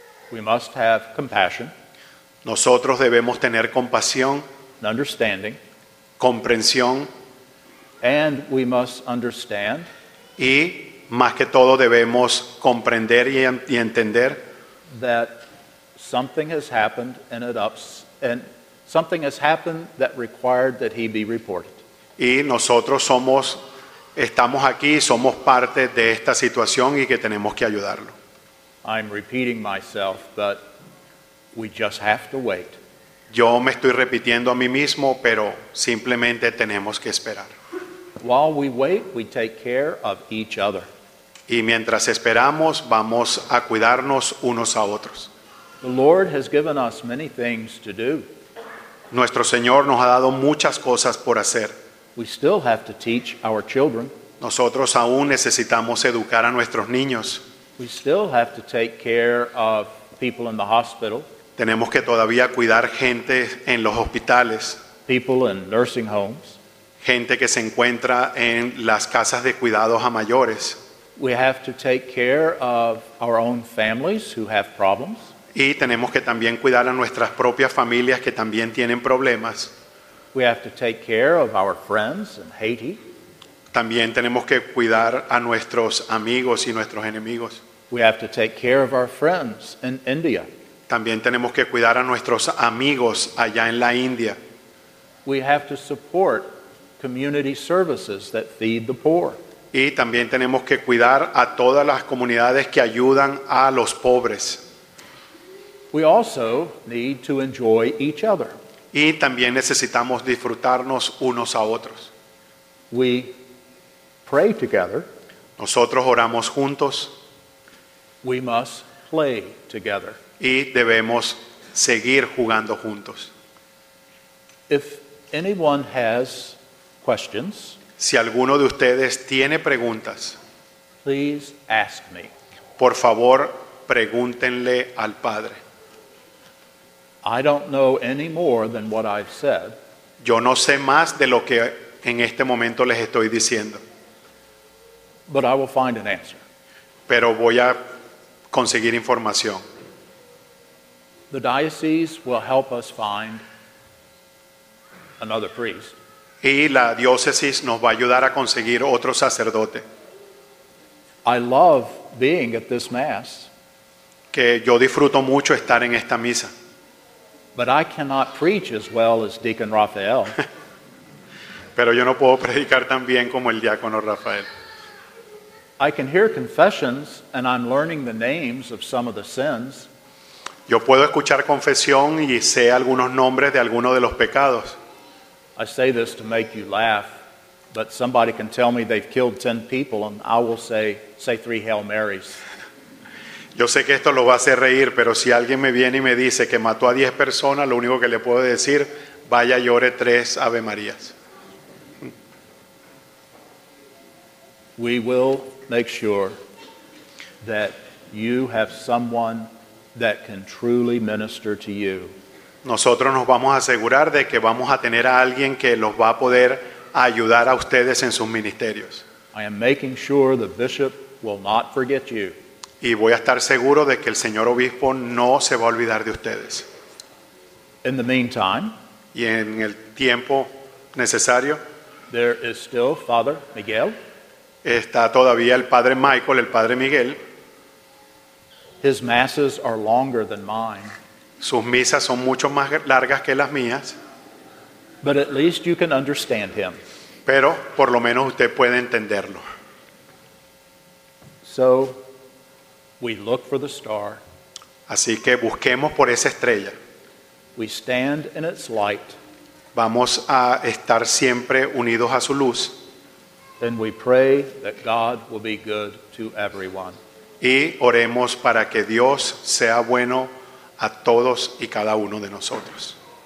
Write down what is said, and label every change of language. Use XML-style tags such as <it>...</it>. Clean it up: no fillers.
<en>We must have compassion.</en> <es>Nosotros debemos tener compasión.</es> <en>And understanding.</en> <es>Comprensión.</es> <en>And we must understand.</en> <es>Y más que todo debemos comprender y entender.</es> <en>That something has happened and it ups and something has happened that required that he be reported.</en> <es>Y nosotros somos, estamos aquí, somos parte de esta situación y que tenemos que ayudarlo.</es> <en>I'm repeating myself, but we just have to wait.</en> <es>Yo me estoy repitiendo a mí mismo, pero simplemente tenemos que esperar.</es> <en>While we wait, we take care of each other.</en> <es>Y mientras esperamos, vamos a cuidarnos unos a otros.</es> <en>The Lord has given us many things to do.</en> <es>Nuestro Señor nos ha dado muchas cosas por hacer.</es> <en>We still have to teach our children.</en> <es>Nosotros aún necesitamos educar a nuestros niños.</es> <en>We still have to take care of people in the hospital.</en> <es>Tenemos que todavía cuidar gente en los hospitales.</es> <en>People in nursing homes.</en> <es>Gente que se encuentra en las casas de cuidados a mayores.</es> <en>We have to take care of our own families who have problems.</en> <es>Y tenemos que también cuidar a nuestras propias familias que también tienen problemas.</es> <en>We have to take care of our friends in Haiti.</en> <es>También tenemos que cuidar a nuestros amigos y nuestros enemigos.</es> <en>We have to take care of our friends in India.</en> <es>También tenemos que cuidar a nuestros amigos allá en la India.</es> <en>We have to support community services that feed the poor.</en> <es>Y también tenemos que cuidar a todas las comunidades que ayudan a los pobres.</es> <en>We also need to enjoy each other.</en> <es>Y también necesitamos disfrutarnos unos a otros.</es> <en>We pray together.</en> <es>Nosotros oramos juntos.</es> <en>We must play together.</en> <es>Y debemos seguir jugando juntos.</es> <en>If anyone has questions,</en> <es>si alguno de ustedes tiene preguntas,</es> <en>please ask me.</en> <es>Por favor, pregúntenle al Padre.</es> <en>I don't know any more than what I've said.</en> <es>Yo no sé más de lo que en este momento les estoy diciendo.</es> <en>But I will find an answer.</en> <es>Pero voy a conseguir información.</es> <en>The diocese will help us find another priest.</en> <es>Y la diócesis nos va a ayudar a conseguir otro sacerdote.</es> <en>I love being at this mass.</en> <es>Que yo disfruto mucho estar en esta misa.</es> <en>But I cannot preach as well as Deacon Rafael.</en> <es>Pero yo no puedo predicar tan bien como el diácono Rafael.</es> <en>I can hear confessions and I'm learning the names of some of the sins.</en> <es>Yo puedo escuchar confesión y sé algunos nombres de algunos de los pecados.</es> <en>I say this to make you laugh, but somebody can tell me they've killed 10 people and I will say 3 Hail Marys.</en> <es>Yo sé que esto lo va a hacer reír, pero si alguien me viene y me dice que mató a 10 personas, lo único que le puedo decir, vaya, llore 3 Ave Marías.</es> <en>we will make sure that you have someone that can truly minister to you.</en> <es>Nosotros nos vamos a asegurar de que vamos a tener a alguien que los va a poder ayudar a ustedes en sus ministerios.</es> <en>I am making sure the bishop will not forget you.</en> <es>Y voy a estar seguro de que el señor obispo no se va a olvidar de ustedes.</es> <en>In the meantime,</en> <es>y en el tiempo necesario,</es> <en>there is still Father Miguel.</en> <es>Está todavía el padre Michael, el padre Miguel.</es> <en>His masses are longer than mine.</en> <es>Sus misas son mucho más largas que las mías.</es> <en>But at least you can understand him.</en> <es>Pero por lo menos usted puede entenderlo.</es> <en>So we look for the star.</en> <es>Así que busquemos por esa estrella.</es> <en>We stand in its light.</en> <es>Vamos a estar siempre unidos a su luz.</es> <en>And we pray that God will be good to everyone.</en> <es>Y oremos para que Dios sea bueno a todos y cada uno de nosotros.</es>